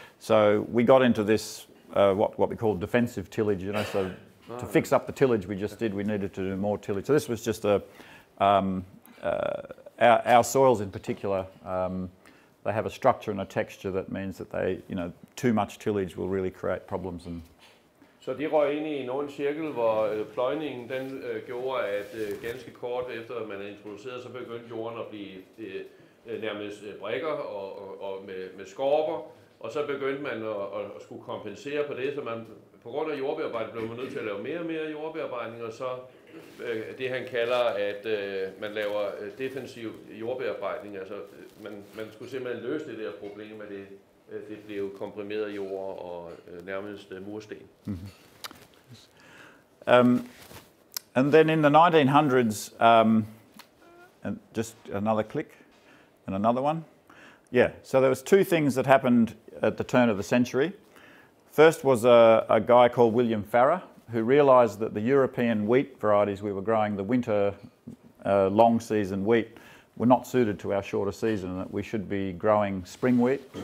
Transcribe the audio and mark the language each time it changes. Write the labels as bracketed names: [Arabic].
[English] So we got into this what we call defensive tillage, you know, so to fix up the tillage we just did, we needed to do more tillage. So this was just our soils in particular, they have a structure and a texture that means that they, you know, too much tillage will really create problems. And [Danish] så de røg ind i en ond cirkel, hvor pløjningen den gjorde, at ganske kort efter man er introduceret, så begyndte jorden at blive nærmest brikker og med skorper, og så begyndte man at skulle kompensere på det, så man på grund af jordbearbejdning blev man nødt til at lave mere og mere jordbearbejdning, og så det han kalder, at man laver defensiv jordbearbejdning, altså man skulle simpelthen løse det der problem med det. Det blev komprimeret jord og nærmest mursten. Mm-hmm. [English] And then in the 1900s, and just another click and another one. Yeah, so there was two things that happened at the turn of the century. First was a guy called William Farrer, who realized that the European wheat varieties we were growing, the winter long season wheat, were not suited to our shorter season, that we should be growing spring wheat.